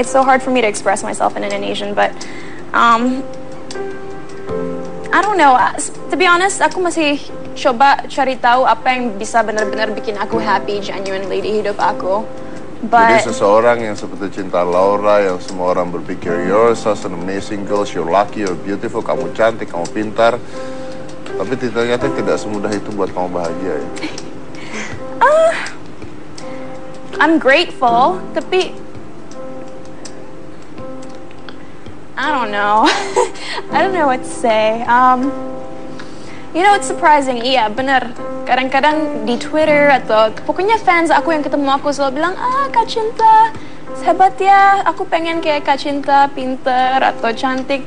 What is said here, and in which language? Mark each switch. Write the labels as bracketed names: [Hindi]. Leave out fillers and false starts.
[English] It's so hard for me to express myself in Indonesian, but I don't know. To be honest, [Indonesian] aku masih coba cari tahu apa yang bisa benar-benar bikin aku happy genuinely di hidup aku. But jadi seseorang yang seperti cinta Laura, yang semua orang berpikir [English] you're such an amazing girl, you're lucky, you're beautiful, [Indonesian] kamu cantik, kamu pintar, tapi ternyata tidak semudah itu buat kamu bahagia ya. [English] I'm grateful, tapi I don't know what to say. You know, it's surprising, [Indonesian] iya benar. Kadang-kadang di Twitter atau pokoknya fans aku yang ketemu aku selalu bilang, ah Kak Cinta, hebat ya, aku pengen kayak Kak Cinta, pinter atau cantik.